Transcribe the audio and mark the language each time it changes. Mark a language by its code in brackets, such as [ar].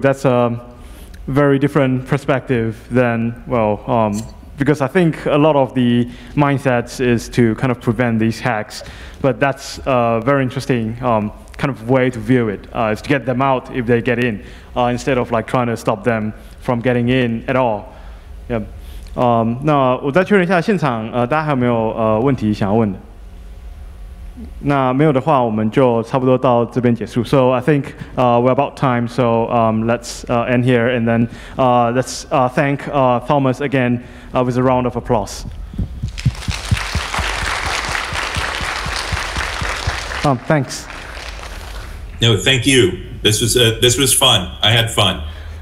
[en] That's a very different perspective than, because I think a lot of the mindsets is to kind of prevent these hacks, but that's a very interesting kind of way to view it, is to get them out if they get in, instead of like trying to stop them from getting in at all. Yep. [zh] 那我再确认一下现场，大家还有没有问题想要问的？那没有的话，我们就差不多到这边结束。 [en] So I think we're about time. So let's end here, and then let's thank Thomas again with a round of applause. 、thanks. No, thank you. This was fun. I had fun.